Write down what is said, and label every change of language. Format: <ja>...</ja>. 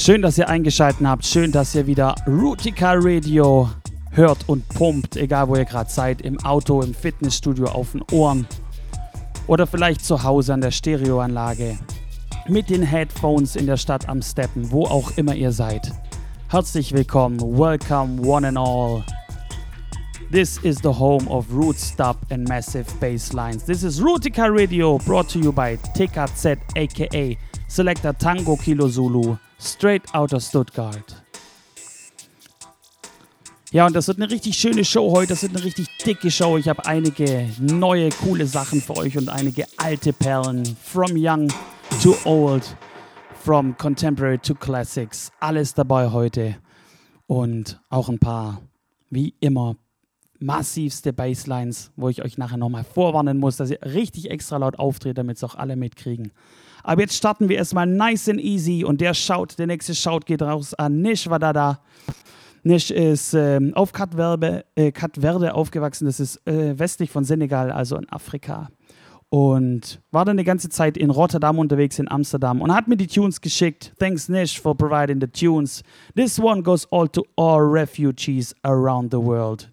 <de>Schön, dass ihr eingeschaltet habt. Schön, dass ihr wieder Rootikal Radio hört und pumpt, egal wo ihr gerade seid, im Auto, im Fitnessstudio, auf den Ohren oder vielleicht zu Hause an der Stereoanlage, mit den Headphones in der Stadt am Steppen, wo auch immer ihr seid. Herzlich willkommen,</de> <en>welcome one and all. This is the home of Roots Dub and Massive Basslines. This is Rootikal Radio, brought to you by TKZ, aka Selector Tango Kilo Zulu, straight out of Stuttgart.</en> <de>Ja, und das wird eine richtig schöne Show heute, das wird eine richtig dicke Show. Ich habe einige neue, coole Sachen für euch und einige alte Perlen.</de> <en>From young to old, from contemporary to classics.</en> <de>Alles dabei heute. Und auch ein paar, wie immer, massivste Basslines, wo ich euch nachher nochmal vorwarnen muss, dass ihr richtig extra laut auftritt, damit es auch alle mitkriegen. Aber jetzt starten wir erstmal</de> <en>nice and easy.</en> <de>Und der nächste Shout geht raus an Nish Wadada. Nish ist auf Kap Verde aufgewachsen, das ist westlich von Senegal, also in Afrika. Und war dann die ganze Zeit in Rotterdam unterwegs, in Amsterdam, und hat mir die Tunes geschickt.</de> <en>Thanks Nish for providing the tunes. This one goes all to all refugees around the world.</en>